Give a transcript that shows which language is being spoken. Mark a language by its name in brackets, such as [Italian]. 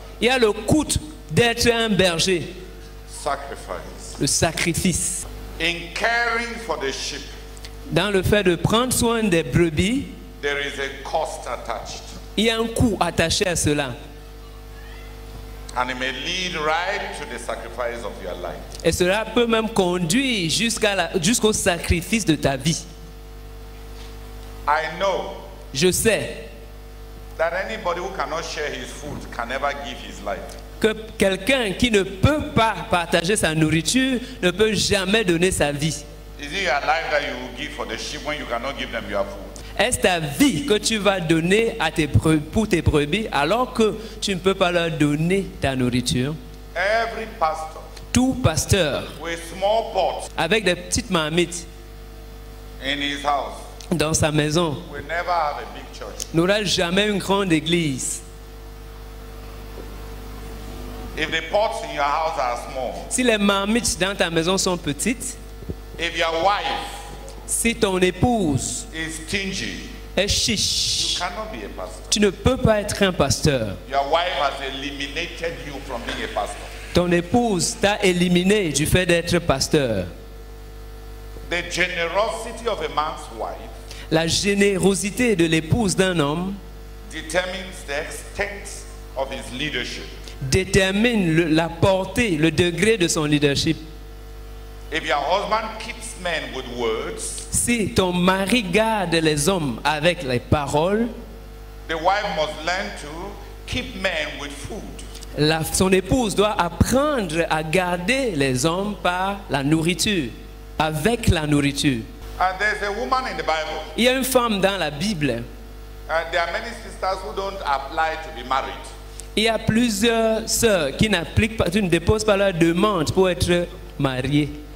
[French] Il y a le coût d'être un berger. Sacrifice. Le sacrifice. [English] In caring for the sheep. [French] Dans le fait de prendre soin des brebis, [English] there is a cost attached. [French] Il y a un coût attaché à cela. [English] And it may lead right to the sacrifice of your life. [French] Et cela peut même conduire jusqu'au sacrifice de ta vie. [English] I know. [French] Je sais. [English] That anybody who cannot share his food can never give his life. [French] Que quelqu'un qui ne peut pas partager sa nourriture ne peut jamais donner sa vie. [English] Is it your life that you will give for the sheep when you cannot give them your food? [French] Est-ce ta vie que tu vas donner à tes brebis alors que tu ne peux pas leur donner ta nourriture? [English] Every pastor, [French] tout pasteur [English] with small pot, [French] avec des petites marmites [English] in his house, [French] dans sa maison [English] will never have a big church. [French] N'aura jamais une grande église. [English] If the pots in your house are small, [French] si les marmites dans ta maison sont petites, [English] if your wife, [French] si ton épouse [English] is stingy, [French] est chiche, [English] you cannot be a pastor. [French] Tu ne peux pas être un pasteur. [English] Your wife has eliminated you from being a pastor. [French] Ton épouse t'a éliminé du fait d'être pasteur. [English] The generosity of a man's wife, [French] la générosité de l'épouse d'un homme, [English] determines the extent of his leadership. [French] Détermine la portée, le degré de son leadership. [English] If your husband keeps men with words, [French] si ton mari garde les hommes avec les paroles, [English] the wife must learn to keep men with food. [French] Son épouse doit apprendre à garder les hommes par la nourriture, avec la nourriture. [English] And there's a woman in the Bible. [French] Il y a une femme dans la Bible. [English] There are many sisters who don't apply to be married. [French] Il y a plusieurs sœurs qui n'appliquent pas, qui ne déposent pas leur demande pour être mariées.